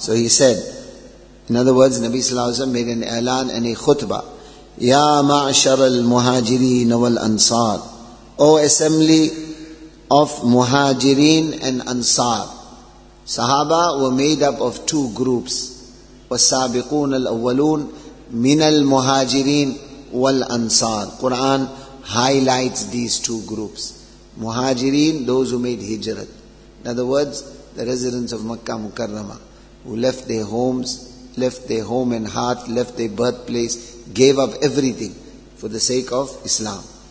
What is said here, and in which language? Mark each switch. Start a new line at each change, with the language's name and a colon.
English: So he said, in other words, Nabi sallallahu alayhi wa sallam made an ilan and a khutbah.
Arabic: Ya ma'ashar al-muhajireen wal-ansar.
English: O assembly of muhajireen and ansar. Sahaba were made up of two groups.
Arabic: والسابقون الأولون من المهاجرين والأنصار.
English: Quran highlights these two groups. Muhajirin, those who made hijrat. In other words, the residents of Makkah Mukarramah, who left their homes, left their home and heart, left their birthplace, gave up everything for the sake of Islam.